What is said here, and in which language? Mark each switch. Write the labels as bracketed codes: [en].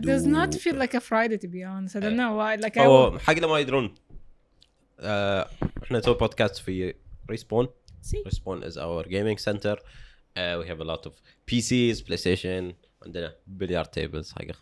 [en] It does not feel like a Friday to be honest. I don't know why. Like [ar] حق اللي ما يدرون. إحنا نسوي بودكاست في Respawn. [en] See? Respawn is our gaming center. We have a lot of PCs, PlayStation, and then billiard tables.